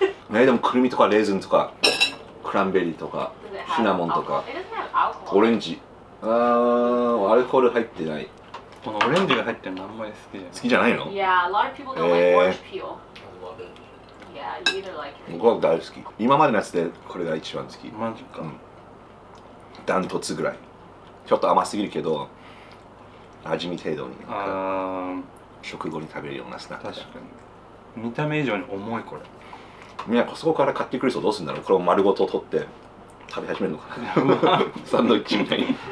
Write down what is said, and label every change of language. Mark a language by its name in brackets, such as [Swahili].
[Japanese] ね、でもクルミとかレーズンとかクランベリーとかシナモンとかオレンジ。あー、アルコール入ってない。このオレンジが入ってるのあんまり好きじゃない。好きじゃないの？いや、 [English] a lot of people don't like orange peel. Yeah, you either like it. [Japanese] 僕は大好き。今までのやつでこれが一番好き。マジか。うん、ダントツぐらい。ちょっと甘すぎるけど味見程度に、食後に食べるようなスナック。確かに見た目以上に重い。これみんなコストコから買ってくる人どうするんだろう。これを丸ごと取って食べ始めるのかな。サンドイッチみたいに。